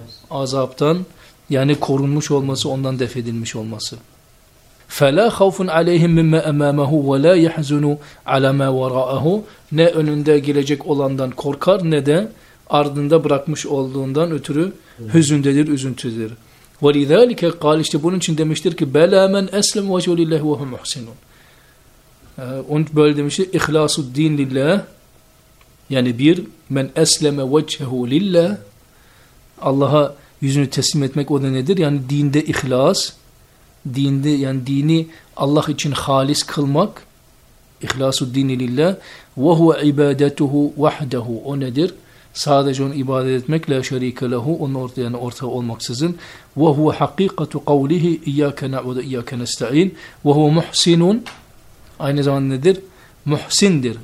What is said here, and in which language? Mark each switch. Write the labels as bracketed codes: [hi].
[tr] azaptan yani korunmuş olması ondan def edilmiş olması [ar] فَلَا خَوْفٌ عَلَيْهِمْ مِمَّا أَمَامَهُ وَلَا يَحْزُنُوا عَلَى مَا وَرَاءَهُ [tr] Ne önünde gelecek olandan korkar ne de ardında bırakmış olduğundan ötürü hüzündedir, üzüntüdür. [ar] وَلِذَٰلِكَ قَالِ [tr] işte bunun için demiştir ki [ar] بَلَا مَنْ أَسْلَمْ وَجْهُ لِلَّهِ وَهُ مُحْسِنُونَ [tr] Onun böyle demiştir. [ar] اِخْلَاسُ الدِّينِ لِلَّهِ [tr] Yani bir, [ar] مَنْ أَسْلَمَ وَجْهُ لِلَّهِ [tr] Allah'a yüzünü teslim etmek o da nedir? Yani dinde ihlas, dinde yani dini Allah için halis kılmak, [ar] اِخْلَاسُ الدِّينِ لِلَّهِ وَهُوَ عِبَادَتُهُ وَحْدَهُ [tr] O nedir? Sadece onu ibadet etmek, [ar] لَا شَرِيكَ لَهُ [tr] Onun ortaya, yani ortağı olmaksızın. [ar] وَهُوَ حَقِيقَةُ قَوْلِهِ اِيَّاكَ نَعْوَدَ اِيَّاكَ نَسْتَعِينَ وَهُوَ مُحْسِنٌ [tr] Aynı zamanda nedir? Muhsindir.